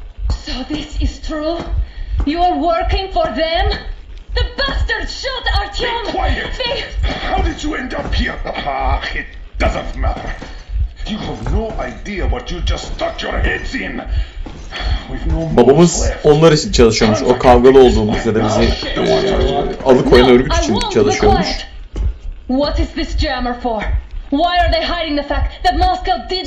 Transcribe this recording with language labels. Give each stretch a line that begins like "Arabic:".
English: So this is true? You are working for them? The bastards shot Artyom. Be quiet. How did you end up here? It doesn't matter. You have no idea what you just stuck your heads in.
Turkish: Babamız onlar için çalışıyormuş. O kavgalı olduğumuz ya da bizi alıkoyan örgüt için çalışıyormuş.
English: What is this jammer for? Why are they hiding the fact that Moscow didn't survive?